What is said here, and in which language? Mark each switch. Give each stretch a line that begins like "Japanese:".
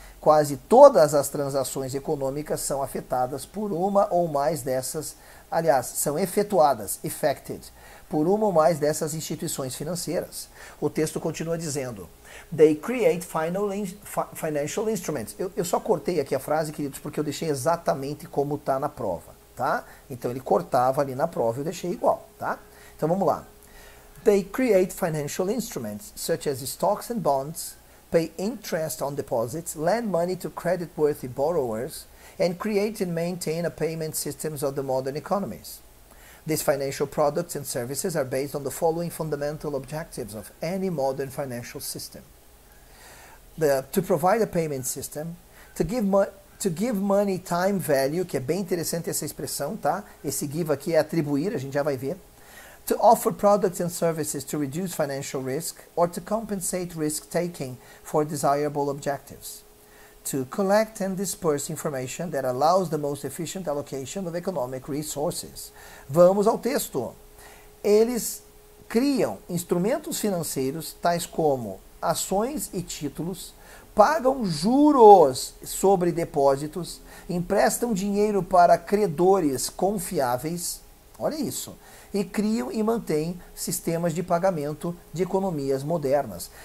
Portuguese: Quase todas as transações econômicas são afetadas por uma ou mais dessas, aliás, são efetuadas, affected, por uma ou mais dessas instituições financeiras. O texto continua dizendo,
English: they create financial instruments.
Portuguese: Eu só cortei aqui a frase, queridos, porque eu deixei exatamente como está na prova, tá? Então ele cortava ali na prova e eu deixei igual, tá? Então vamos lá.
English: They create financial instruments, such as stocks and bonds, pay interest on deposits, lend money to creditworthy borrowers, and create and maintain a payment systems of the modern economies. These financial products and services are based on the following fundamental objectives of any modern financial system. To provide a payment system, to give money time value,
Portuguese: que é bem interessante essa expressão, tá? Esse give aqui é atribuir, a gente já vai ver.
English: to offer products and services to reduce financial risk or to compensate risk taking for desirable objectives, to collect and disperse information that allows the most efficient allocation of economic resources.
Portuguese: Vamos ao texto. Eles criam instrumentos financeiros, tais como ações e títulos, pagam juros sobre depósitos, emprestam dinheiro para credores confiáveis, olha isso, e criam e mantêm sistemas de pagamento de economias modernas.